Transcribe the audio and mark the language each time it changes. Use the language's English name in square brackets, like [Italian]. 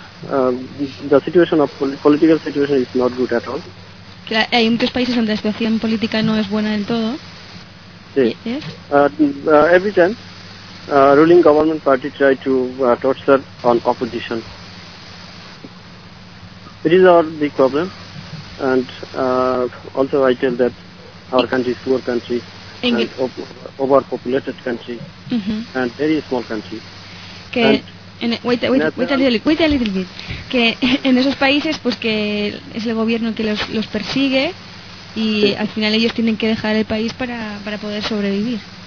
[English] The political situation is not good at all. [Spanish] Claro, hay muchos países donde la situación política no es buena del todo. Sí. [English] Yes. Every time, ruling government party try to torture on opposition. It is our big problem, and also I tell that our country is poor country and overpopulated country and very small country. [Spanish] Que [English] and Wait a little bit. [Spanish] Que en esos países, pues que es el gobierno que los persigue y al final ellos tienen que dejar el país para poder sobrevivir.